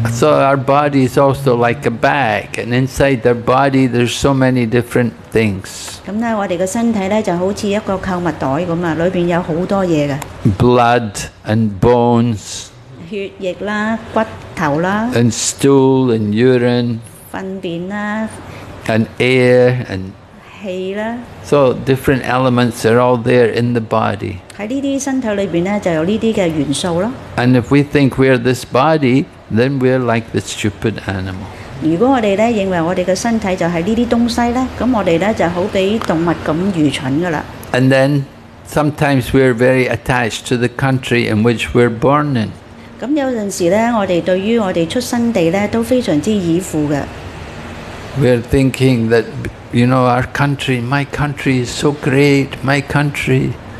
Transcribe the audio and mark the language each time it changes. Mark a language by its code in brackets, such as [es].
[en] So our body is also like a bag, and inside their body there's so many different things. [yue] 咁咧，我哋嘅身體咧就好似一個購物袋咁啊，裏邊有好多嘢嘅。 [en] Blood and bones. [yue] 血液啦，骨頭啦。 [en] And stool and urine. [yue] 糞便啦。 [en] And air and. [yue] 氣啦。 [en] So different elements are all there in the body. [yue] 喺呢啲身體裏邊咧，就有呢啲嘅元素咯。 [en] And if we think we are this body, then we are like the stupid animal. [yue] 如果我哋咧認為我哋嘅身體就係呢啲東西咧，咁我哋咧就好比動物咁愚蠢噶啦。 [en] And then sometimes we are very attached to the country in which we're born in. [yue] 咁有陣時咧，我哋對於我哋出生地咧都非常之依附嘅。 [en] We're thinking that, you know, our country, my country is so great, my country.